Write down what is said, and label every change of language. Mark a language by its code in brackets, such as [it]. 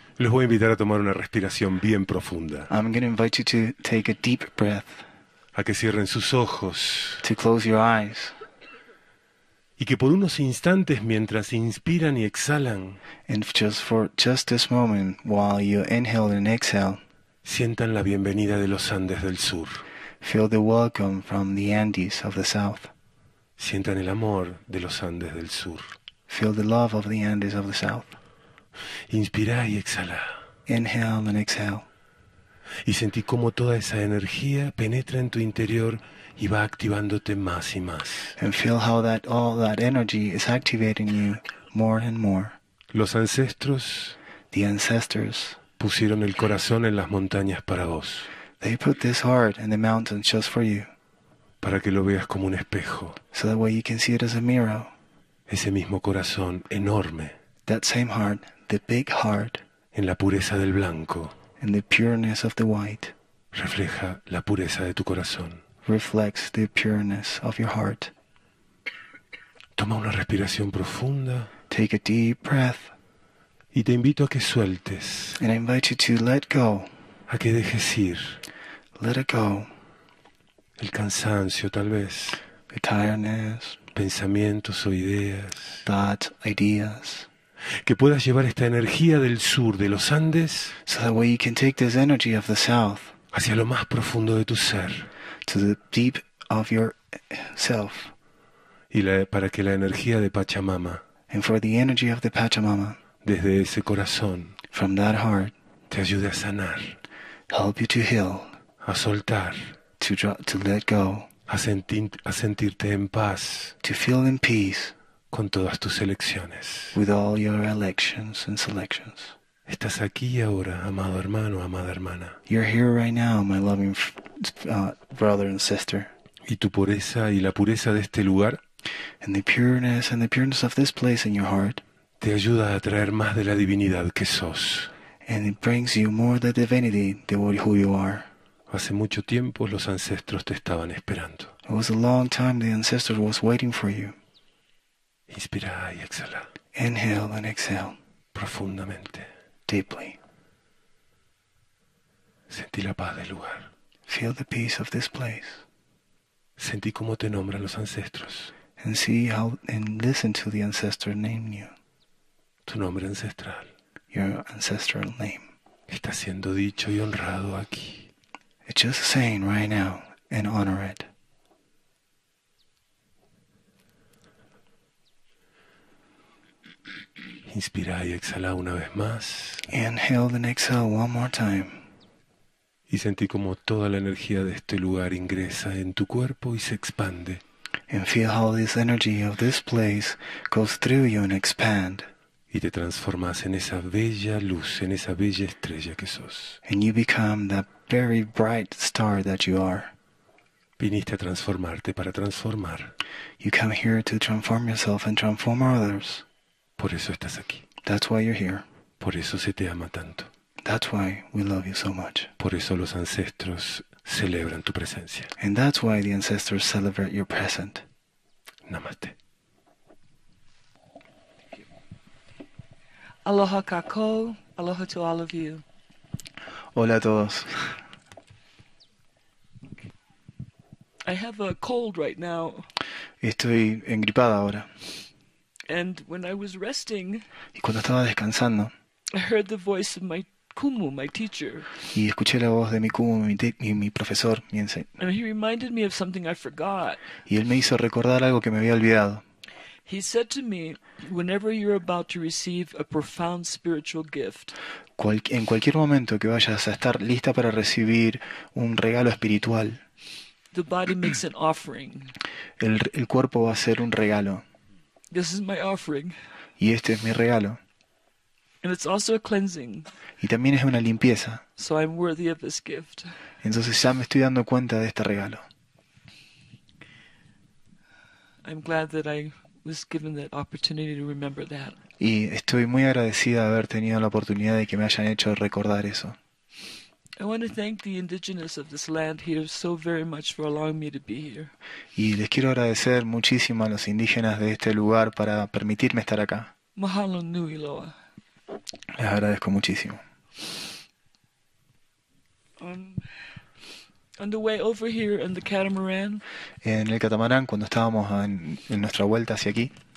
[es] los voy a invitar a tomar una respiración bien profunda. [en] I'm going to invite you to take a deep breath, [es] A que cierren sus ojos. [en] to close your eyes, [es] Y que por unos instantes, mientras inspiran y exhalan, [en] and just this moment, while you inhale and exhale, [es] sientan la bienvenida de los Andes del Sur. [en] feel the welcome from the Andes of the South. [es] Sientan el amor de los Andes del Sur. [en] Feel the love of the Andes of the South. [es] Inspira y exhala. [en] Inhale and exhale. [es] Y sentí cómo toda esa energía penetra en tu interior y va activándote más y más. [en] And feel how all that energy is activating you more and more. [es] Los ancestros [en] The ancestors. [es] pusieron el corazón en las montañas para vos. [en] They put this heart in the mountains just for you, [es] Para que lo veas como un espejo. [en] so that way you can see it as a mirror. [es] Ese mismo corazón enorme [en] That same heart, the big heart, [es] en la pureza del blanco [en] and the pureness of the white, [es] refleja la pureza de tu corazón. [en] reflects the pureness of your heart. [es] Toma una respiración profunda [en] Take a deep breath, [es] y te invito a que sueltes, [en] and I invite you to let go. [es] a que dejes ir [en] Let it go. [es] el cansancio, tal vez. [en] The tiredness. [es] Pensamientos o ideas. [en] Thoughts, ideas. [es] Que puedas llevar esta energía del sur de los Andes [en] So that way you can take this energy of the south [es] hacia lo más profundo de tu ser. [en] to the deep of your self. [es] Y para que la energía de Pachamama [en] And for the energy of the Pachamama [es] desde ese corazón [en] from that heart [es] te ayude a sanar, [en] help you to heal. [es] a soltar. [en] To let go, [es] A sentirte en paz [en] to feel in peace [es] con todas tus elecciones. [en] with all your elections and selections. [es] Estás aquí y ahora, amado hermano, amada hermana. [en] You're here right now, my loving brother and sister. [es] Y tu pureza y la pureza de este lugar [en] And the pureness of this place in your heart. [es] te ayuda a atraer más de la divinidad que sos. [en] And it brings you more the divinity than who you are. [es] Hace mucho tiempo los ancestros te estaban esperando. [en] It was a long time the ancestor was waiting for you. [es] Inspira y exhala. [en] Inhale and exhale. [es] Profundamente. [en] Deeply. [es] Sentí la paz del lugar. [en] Feel the peace of this place. [es] Sentí cómo te nombran los ancestros. [en] And see how and listen to the ancestor name you. [es] Tu nombre ancestral [en] Your ancestral name. [es] está siendo dicho y honrado aquí. [en] It's just saying right now and honor it. [es] Inspira y exhala una vez más. [en] Inhale and exhale one more time. [es] Y sentí como toda la energía de este lugar ingresa en tu cuerpo y se expande. [en] And feel how this energy of this place goes through you and expand. [es] Y te transformas en esa bella luz, en esa bella estrella que sos. [en] And you become that very bright star that you are. [es] Viniste a transformarte para transformar. [en] You come here to transform yourself and transform others. [es] Por eso estás aquí. [en] That's why you're here. [es] Por eso se te ama tanto. [en] That's why we love you so much. [es] Por eso los ancestros celebran tu presencia. [en] And that's why the ancestors celebrate your present. [hi] Namaste. [haw] Aloha kakou, [en] aloha to all of you. [es] Hola a todos. [en] I have a cold right now. [es] Estoy engripada ahora. [en] And when I was resting, [es] Y cuando estaba descansando, [en] I heard the voice of my kumu, my teacher. [es] y escuché la voz de mi kumu, mi profesor, mi [en] And he reminded me of something I forgot. [es] y él me hizo recordar algo que me había olvidado. [en] He said to me, whenever you're about to receive a profound spiritual gift, [es] En cualquier momento que vayas a estar lista para recibir un regalo espiritual, [en] the body makes an offering. [es] el cuerpo va a ser un regalo. [en] This is my offering. [es] Y este es mi regalo. [en] And it's also a cleansing. [es] Y también es una limpieza. [en] So I'm worthy of this gift. [es] Entonces ya me estoy dando cuenta de este regalo. [en] I'm glad that I was given that opportunity to remember that. [es] Y estoy muy agradecida de haber tenido la oportunidad de que me hayan hecho recordar eso. [en] I want to thank the indigenous of this land here so very much for allowing me to be here. [es] Y les quiero agradecer muchísimo a los indígenas de este lugar para permitirme estar acá. [haw] Mahalo nui loa. [es] Les agradezco muchísimo. [en] On the way over here in the catamaran. [es] En el catamarán, cuando estábamos en nuestra vuelta hacia aquí.